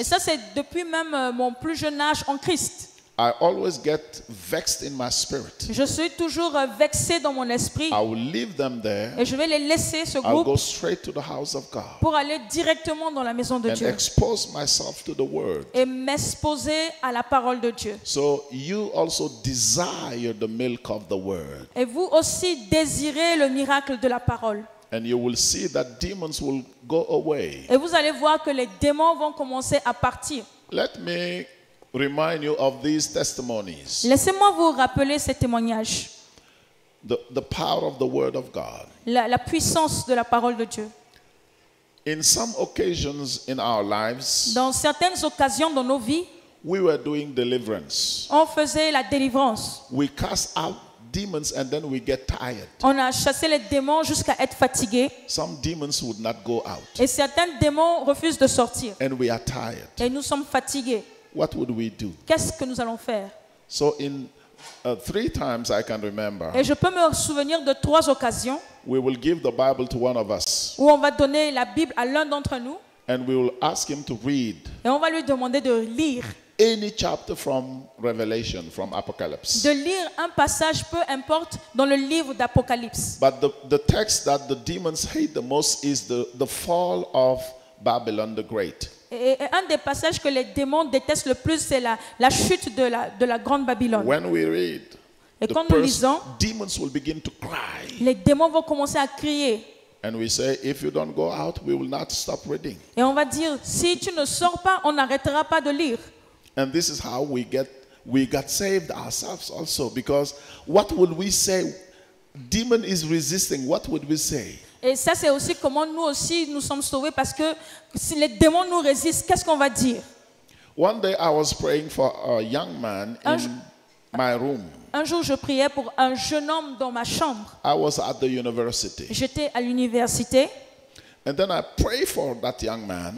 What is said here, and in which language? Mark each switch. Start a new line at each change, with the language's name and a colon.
French: Et ça c'est depuis même mon plus jeune âge en Christ.
English: I always get vexed in my spirit.
French: Je suis toujours vexé dans mon esprit.
English: I will leave them there.
French: Et je vais les laisser ce groupe.
English: I'll go straight to the house of God.
French: Pour aller directement dans la maison de
English: and
French: Dieu.
English: And expose myself to the word.
French: Et m'exposer à la parole de Dieu.
English: So you also desire the milk of the word.
French: Et vous aussi désirez le miracle de la parole.
English: And you will see that demons will go away.
French: Et vous allez voir que les démons vont commencer à partir.
English: Let me remind you of these testimonies.
French: Laissez-moi vous rappeler ces témoignages.
English: The power of the word of God.
French: La puissance de la parole de Dieu.
English: In some occasions in our lives,
French: dans certaines occasions dans nos vies,
English: we were doing deliverance.
French: On faisait la délivrance.
English: We cast out demons and then we get tired.
French: On a chassé les démons jusqu'à être fatigué.
English: Some demons would not go out.
French: Et certains démons refusent de sortir.
English: And we are tired.
French: Et nous sommes fatigués.
English: What would we do?
French: Qu'est-ce que nous allons faire?
English: So in three times I can remember.
French: Et je peux me souvenir de trois occasions.
English: We will give the Bible to one of us.
French: Où on va donner la Bible à l'un d'entre nous.
English: And we will ask him to read.
French: Et on va lui demander de lire.
English: Any chapter from Revelation, from Apocalypse.
French: De lire un passage, peu importe, dans le livre d'Apocalypse.
English: But the text that the demons hate the most is the fall of Babylon the Great.
French: Et un des passages que les démons détestent le plus, c'est la chute de la grande Babylone.
English: When we read,
French: et quand nous lisons,
English: demons will begin to cry.
French: Les démons vont commencer à crier.
English: And we say, if you don't go out, we will not stop reading.
French: Et on va dire, si tu ne sors pas, on n'arrêtera pas de lire.
English: And this is how we got saved ourselves also, because what would we say? Demon is resisting. What would we say?
French: Et ça, c'est aussi comment nous aussi nous sommes sauvés, parce que si les démons nous résistent, qu'est-ce qu'on va dire?
English: One day I was praying for a young man in my room.
French: Un jour, je priais pour un jeune homme dans ma chambre.
English: I was at the university.
French: J'étais à l'université.
English: And then I prayed for that young man.